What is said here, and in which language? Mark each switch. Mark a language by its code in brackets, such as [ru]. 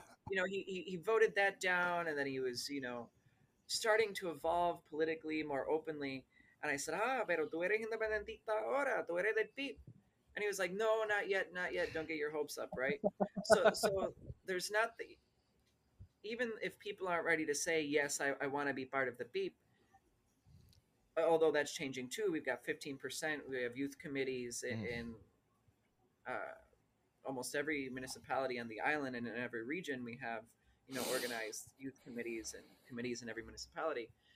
[en] you know, he voted that down, and then he was, you know, starting to evolve politically more openly. And I said, [es] pero tú eres independentista ahora, tú eres del PIB. [en] And he was like, no, not yet. Don't get your hopes up. Right. So there's not the, even if people aren't ready to say, yes, I want to be part of the PIB. Although that's changing too, we've got 15%. We have youth committees in almost every municipality on the island, and in every region, we have, you know, organized youth committees and committees in every municipality.